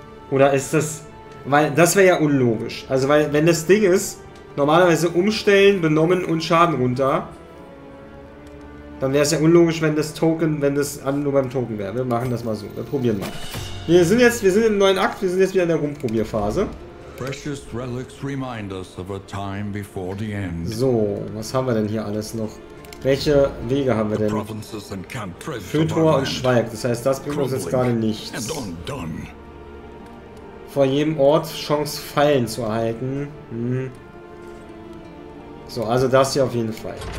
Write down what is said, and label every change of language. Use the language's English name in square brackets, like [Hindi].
[German] Oder ist das... Weil das wäre ja unlogisch. Also, weil wenn das Ding ist, normalerweise umstellen, benommen und Schaden runter. Dann wäre es ja unlogisch, wenn das Token, wenn das nur beim Token wäre. Wir machen das mal so. Wir probieren mal. Wir sind im neuen Akt, wir sind jetzt wieder in der Rumprobierphase. [English] Precious relics remind us of a time before the end. [German] So, was haben wir denn hier alles noch? Welche Wege haben wir denn? Fötor und Schweig, das heißt, das bringt uns jetzt gerade nichts. Vor jedem Ort Chance Fallen zu erhalten. Hm. So, also das hier auf jeden Fall.